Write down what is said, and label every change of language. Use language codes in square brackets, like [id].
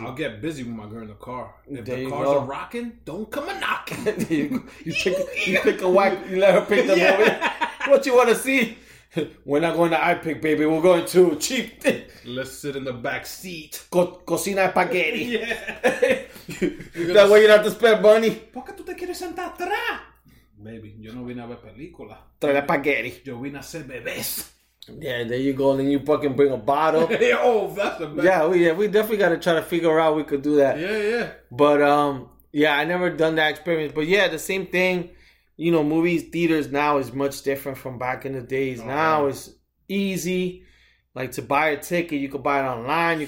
[en] I'll get busy with my girl in the car. If the cars are rocking, don't come a knocking. you pick a wife, you let her pick the movie. What you want to see? We're not going to iPick, baby. We're going to cheap. Let's sit in the back seat. [es] Cocina spaghetti. [en] Yeah. That way you don't have to spend money. [es] ¿Por qué tú te quieres sentar atrás? Baby, yo no vine a ver película. Trae la spaghetti. Yo vine a ser bebés. [en] Yeah, there you go. Then you fucking bring a bottle. Oh, that's the best. Yeah, we definitely got to try to figure out we could do that. Yeah. But, yeah, I never done that experience. But, yeah, the same thing. You know, movies, theaters now is much different from back in the days. Oh, now it's easy. Like, to buy a ticket, you can buy it online.